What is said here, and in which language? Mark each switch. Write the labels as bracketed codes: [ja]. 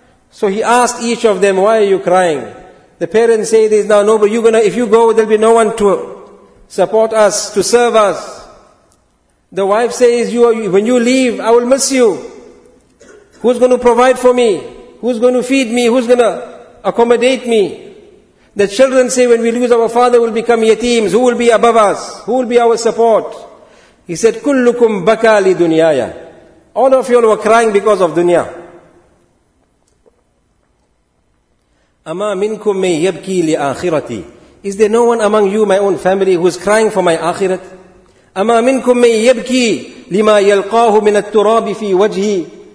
[en] So he asked each of them, why are you crying? The parents say, there is now nobody, if you go, there will be no one to support us, to serve us. The wife says, when you leave, I will miss you. Who's going to provide for me? Who's going to feed me? Who's going to accommodate me? The children say, when we lose our father, we'll become yatims. Who will be above us? Who will be our support? He said, [ar] كُلُّكُمْ بَكَى لِدُنْيَايَا. [en] All of you all were crying because of dunya. [ar] أَمَا مِنْكُمْ مَنْ يَبْكِي لِآخِرَتِي. [en] Is there no one among you, my own family, who is crying for my akhirat? [ar] أَمَا مِنْكُمْ مَنْ يَبْكِي لِمَا يَلْقَاهُ مِنَ التُّرَابِ فِي وَجْهِ.